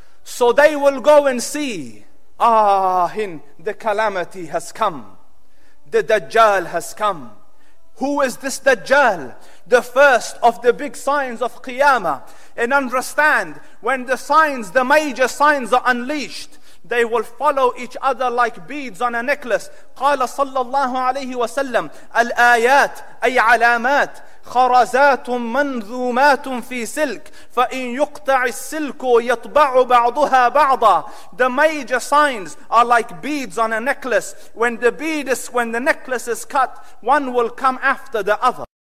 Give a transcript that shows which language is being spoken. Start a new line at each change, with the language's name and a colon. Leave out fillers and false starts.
English: So they will go and see, the calamity has come. The Dajjal has come. Who is this Dajjal? The first of the big signs of Qiyamah. And understand, when the signs, the major signs are unleashed, they will follow each other like beads on a necklace.
Arabic: قال صلى الله عليه وسلم الآيات أي علامات خرزات منظومات في سلك فإن يقطع السلك يطبع بعضها بعضا.
English: The major signs are like beads on a necklace. When the necklace is cut, one will come after the other.